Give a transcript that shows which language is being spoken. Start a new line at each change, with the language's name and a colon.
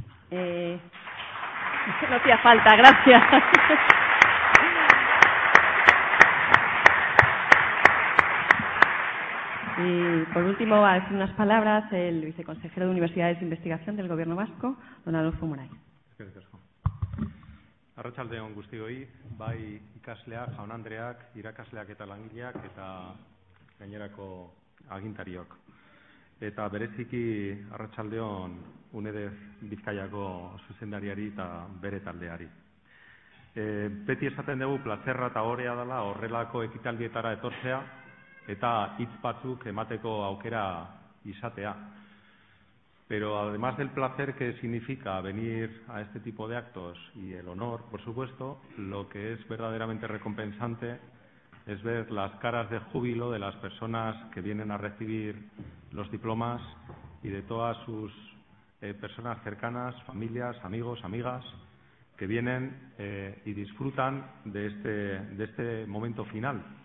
Spanish: No hacía falta, gracias. Y, por último, va a decir unas palabras el viceconsejero de Universidades e Investigación del Gobierno Vasco, don Adolfo Moray.
Basque: Eskerrik asko. Arratsaldeon guztioi, bai ikasleak, jaun andreak, irakasleak eta langileak eta gainerako agintariok. Eta bereziki arratsaldeon UNEDEF Bizkaiako zuzendariari eta bere taldeari. Beti esaten dugu plazerra eta orea dela horrelako ekitaldietara etortzea, eta hitz batzuk emateko aukera izatea.
Spanish: Pero además del placer que significa venir a este tipo de actos y el honor, por supuesto, lo que es verdaderamente recompensante es ver las caras de júbilo de las personas que vienen a recibir los diplomas y de todas sus personas cercanas, familias, amigos, amigas, que vienen y disfrutan de este momento final.